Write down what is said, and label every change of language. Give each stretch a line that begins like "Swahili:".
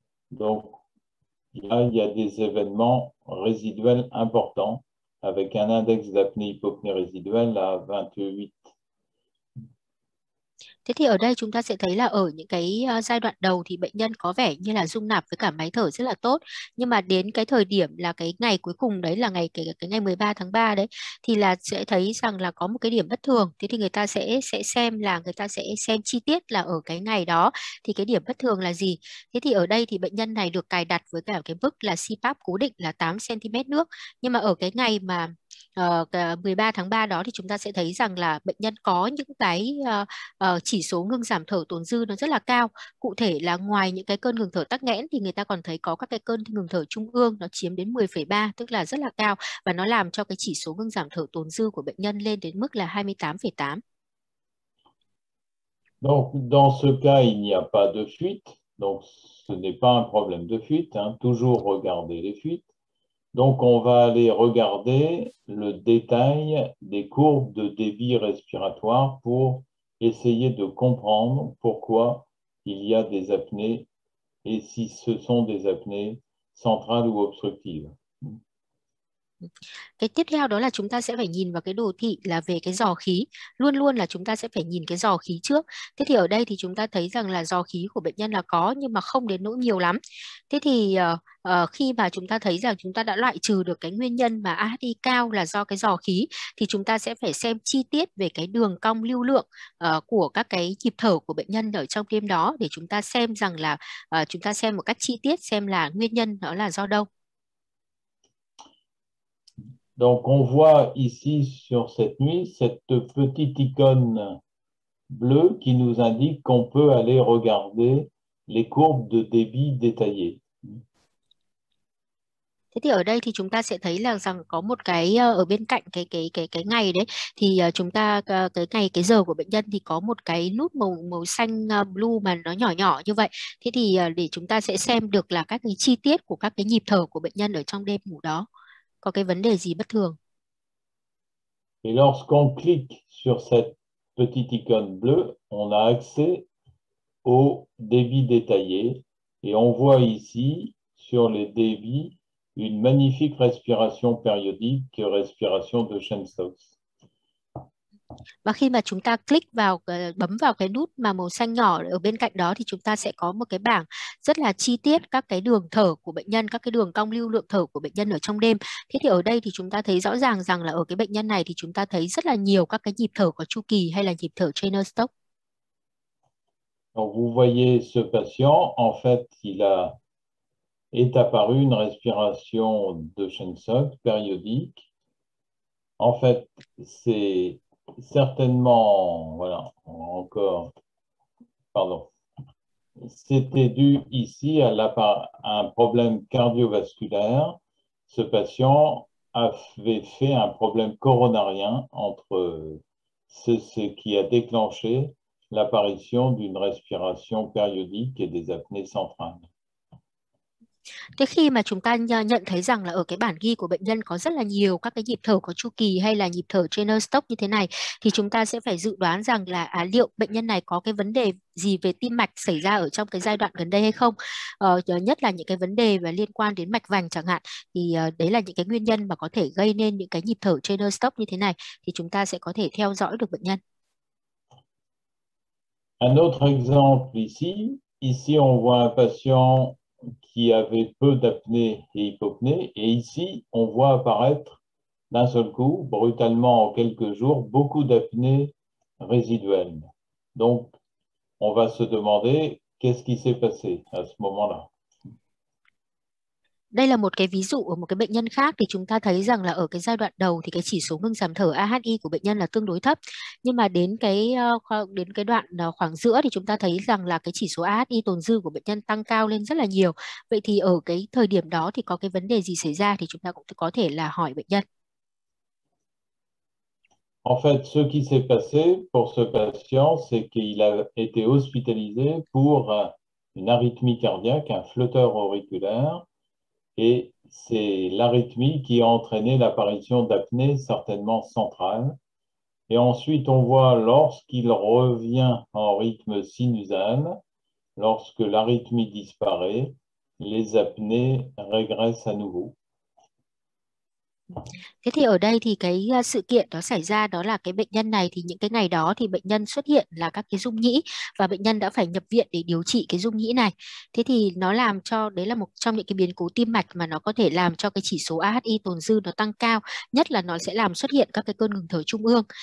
French: Donc, là, il y a des événements résiduels importants avec un index d'apnée hypopnée résiduelle à 28.
Vietnamese: Thế thì ở đây chúng ta sẽ thấy là ở những cái giai đoạn đầu thì bệnh nhân có vẻ như là dung nạp với cả máy thở rất là tốt, nhưng mà đến cái thời điểm là cái ngày cuối cùng đấy, là ngày cái ngày 13 tháng 3 đấy, thì là sẽ thấy rằng là có một cái điểm bất thường. Thế thì người ta sẽ xem chi tiết là ở cái ngày đó thì cái điểm bất thường là gì. Thế thì ở đây thì bệnh nhân này được cài đặt với cả cái mức là CPAP cố định là 8 cm nước, nhưng mà ở cái ngày mà 13 tháng 3 đó thì chúng ta sẽ thấy rằng là bệnh nhân có những cái chỉ số ngưng giảm thở tồn dư nó rất là cao. Cụ thể là ngoài những cái cơn ngừng thở tắc nghẽn thì người ta còn thấy có các cái cơn ngừng thở trung ương nó chiếm đến 10,3, tức là rất là cao, và nó làm cho cái chỉ số ngưng giảm thở tồn dư của bệnh nhân lên đến mức là 28,8.
French: Donc, dans ce cas, il n'y a pas de fuite. Donc, ce n'est pas un problème de fuite, hein. Toujours regarder les fuites. Donc, on va aller regarder le détail des courbes de débit respiratoire pour essayer de comprendre pourquoi il y a des apnées et si ce sont des apnées centrales ou obstructives.
Vietnamese: Cái tiếp theo đó là chúng ta sẽ phải nhìn vào cái đồ thị là về cái giò khí. Luôn luôn là chúng ta sẽ phải nhìn cái giò khí trước. Thế thì ở đây thì chúng ta thấy rằng là giò khí của bệnh nhân là có, nhưng mà không đến nỗi nhiều lắm. Thế thì khi mà chúng ta thấy rằng chúng ta đã loại trừ được cái nguyên nhân mà AHI cao là do cái giò khí, thì chúng ta sẽ phải xem chi tiết về cái đường cong lưu lượng của các cái nhịp thở của bệnh nhân ở trong đêm đó, để chúng ta xem rằng là chúng ta xem một cách chi tiết xem là nguyên nhân nó là do đâu.
French: Donc on voit ici sur cette nuit cette petite icône bleue qui nous indique qu'on peut aller regarder les courbes de débit détaillées.
Vietnamese: Thế thì ở đây thì chúng ta sẽ thấy là rằng có một cái ở bên cạnh cái ngày đấy, thì chúng ta cái ngày cái giờ của bệnh nhân thì có một cái nút màu màu xanh blue mà nó nhỏ nhỏ như vậy. Thế thì để chúng ta sẽ xem được là các cái chi tiết của các cái nhịp thở của bệnh nhân ở trong đêm ngủ đó có cái vấn đề gì bất thường.
French: Et lorsqu'on clique sur cette petite icône bleue, on a accès au débit détaillé et on voit ici sur les débits une magnifique respiration périodique, respiration de Chenstokes.
Vietnamese: Và khi mà chúng ta click vào bấm vào cái nút mà màu xanh nhỏ ở bên cạnh đó, thì chúng ta sẽ có một cái bảng rất là chi tiết các cái đường thở của bệnh nhân, các cái đường cong lưu lượng thở của bệnh nhân ở trong đêm. Thế thì ở đây thì chúng ta thấy rõ ràng rằng là ở cái bệnh nhân này thì chúng ta thấy rất là nhiều các cái nhịp thở có chu kỳ hay là nhịp thở Chenstokes.
French: Donc, vous voyez ce patient, en fait, est apparu une respiration de Chenstokes périodique. En fait, c'est certainement, voilà, encore, pardon, c'était dû ici à un problème cardiovasculaire. Ce patient avait fait un problème coronarien entre ce qui a déclenché l'apparition d'une respiration périodique et des apnées centrales.
Vietnamese: Thế khi mà chúng ta nhận thấy rằng là ở cái bản ghi của bệnh nhân có rất là nhiều các cái nhịp thở có chu kỳ hay là nhịp thở Chenstokes như thế này, thì chúng ta sẽ phải dự đoán rằng là liệu bệnh nhân này có cái vấn đề gì về tim mạch xảy ra ở trong cái giai đoạn gần đây hay không. Nhất là những cái vấn đề và liên quan đến mạch vành chẳng hạn, thì đấy là những cái nguyên nhân mà có thể gây nên những cái nhịp thở Chenstokes như thế này, thì chúng ta sẽ có thể theo dõi được bệnh nhân.
French: Un autre exemple ici on voit un patient qui avait peu d'apnée et hypopnée, et ici on voit apparaître d'un seul coup, brutalement en quelques jours, beaucoup d'apnée résiduelle. Donc on va se demander qu'est-ce qui s'est passé à ce moment-là.
Vietnamese: Đây là một cái ví dụ ở một cái bệnh nhân khác, thì chúng ta thấy rằng là ở cái giai đoạn đầu thì cái chỉ số ngưng giảm thở AHI của bệnh nhân là tương đối thấp, nhưng mà đến cái đoạn khoảng giữa thì chúng ta thấy rằng là cái chỉ số AHI tồn dư của bệnh nhân tăng cao lên rất là nhiều. Vậy thì ở cái thời điểm đó thì có cái vấn đề gì xảy ra, thì chúng ta cũng có thể là hỏi bệnh nhân.
French: En fait, ce qui s'est passé pour ce patient, c'est qu'il a été hospitalisé pour une arythmie cardiaque, un flutter auriculaire, et c'est l'arythmie qui a entraîné l'apparition d'apnée certainement centrale. Et ensuite, on voit lorsqu'il revient en rythme sinusal, lorsque l'arythmie disparaît, les apnées régressent à nouveau.
Vietnamese: Thế thì ở đây thì cái sự kiện đó xảy ra đó là cái bệnh nhân này thì những cái ngày đó thì bệnh nhân xuất hiện là các cái rung nhĩ và bệnh nhân đã phải nhập viện để điều trị cái rung nhĩ này. Thế thì nó làm cho đấy là một trong những cái biến cố tim mạch mà nó có thể làm cho cái chỉ số AHI tồn dư nó tăng cao, nhất là nó sẽ làm xuất hiện các cái cơn ngừng thở trung ương.